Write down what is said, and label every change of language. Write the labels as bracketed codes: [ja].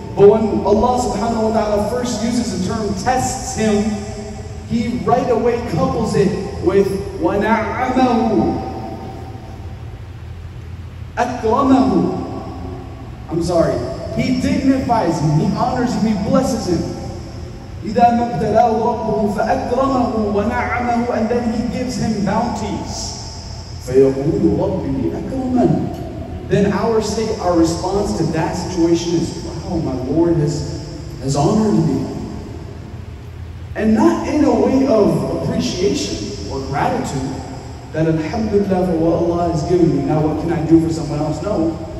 [en] But when Allah subhanahu wa ta'ala first uses the term tests him, He right away couples it with [ar] وَنَعَمَهُ أَكْرَمَهُ [en] I'm sorry. He dignifies him, He honors him, He blesses him. [ar] إِذَا مَبْتَلَاهُ رَبُّهُ فَأَكْرَمَهُ وَنَعَمَهُ [en] And then He gives Him bounties. [ar] فَيَقُولُ رَبِّي أَكْرَمَنِ [en] then our response to that situation is, wow, my Lord has honored me. And not in a way of appreciation or gratitude, that alhamdulillah for what Allah has given me, now what can I do for someone else? No.